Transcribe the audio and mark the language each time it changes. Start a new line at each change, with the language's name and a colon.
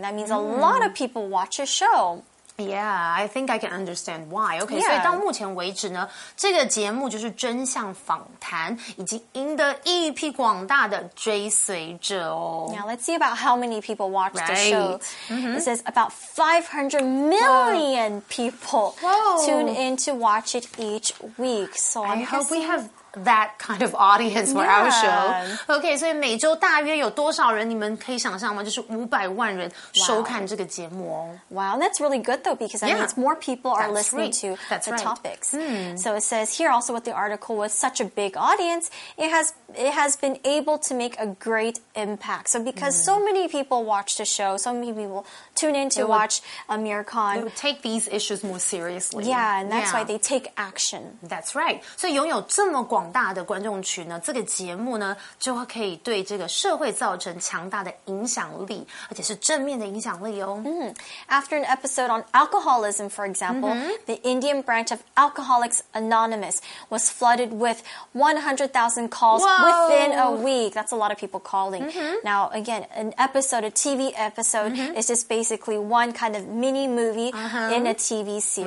English: That means a lot of people watch a show. Yeah, I think I can understand why. Okay, yeah.
Chinese: 所以到目前为止呢，这个节目就是真相访谈，已经赢得一批广大的追随者哦。
English: Now, let's see about how many people watched the show. It says about 500 million people tune in to watch it each week. So I hope we have... that kind of audience for our show.
Chinese: Okay, 所以每周大约有多少人你们可以想象吗？就是500万人收看这个节目哦。
English: Wow, that's really good though, because I mean, it's more people are listening to the topics. So it says here also with the article, with such a big audience, it has been able to make a great impact. So because so many people watch the show, so many people tune in to watch Amir Khan. They would take these issues more seriously. Yeah, and that's why they take action. That's right.
Chinese: 所以拥有这么广大的观众群呢，这个节目呢就可以对这个社会造成强大的影响力，而且是正面的影响力哦。
English: After an episode on alcoholism, for example, the Indian branch of Alcoholics Anonymous was flooded with 100,000 calls within a week. That's a lot of people calling. Now, again, an episode, a TV episode, is just basically one kind of mini movie in a TV series.